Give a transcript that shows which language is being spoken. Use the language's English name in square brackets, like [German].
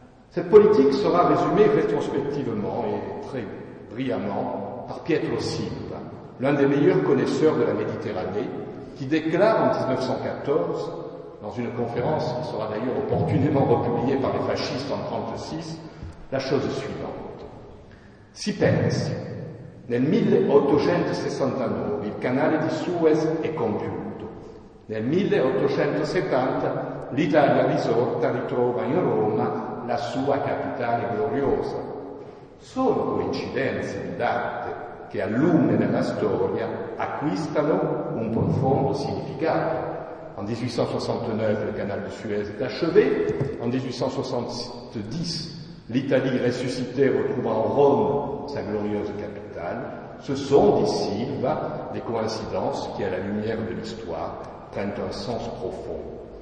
[French] Cette politique sera résumée rétrospectivement et très brillamment par Pietro Silva, l'un des meilleurs connaisseurs de la Méditerranée, qui déclare en 1914, dans une conférence qui sera d'ailleurs opportunément republiée par les fascistes en 1936, la chose suivante. [Italian] Si pensi, nel 1869 il canale di Suez è compiuto. Nel 1870 l'Italia risorta ritrova in Roma la sua capitale gloriosa. Sono coincidenze di date che a lume nella storia acquistano un profondo significato. [French] En 1869 le canal de Suez est achevé. En 1870 l'Italie ressuscitée retrouve en Rome sa glorieuse capitale. Ce sont, dit Silva, des coïncidences qui, à la lumière de l'histoire, prennent un sens profond.